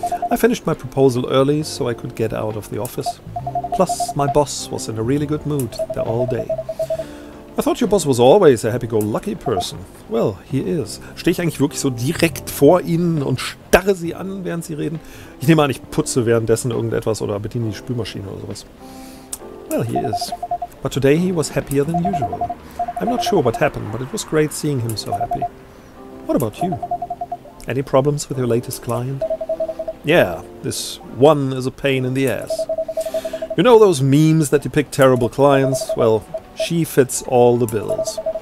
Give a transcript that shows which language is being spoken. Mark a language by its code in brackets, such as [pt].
[en] I finished my proposal early, so I could get out of the office. Plus, my boss was in a really good mood the whole day. I thought your boss was always a happy-go-lucky person. Well, he is. [de] Stehe ich eigentlich wirklich so direkt vor ihnen und starre sie an, während sie reden? Ich nehme an, ich putze währenddessen irgendetwas oder bediene die Spülmaschine oder sowas. [en] Well, he is. But today he was happier than usual. I'm not sure what happened, but it was great seeing him so happy. What about you? Any problems with your latest client? Yeah, this one is a pain in the ass. You know those memes that depict terrible clients? Well, she fits all the bills.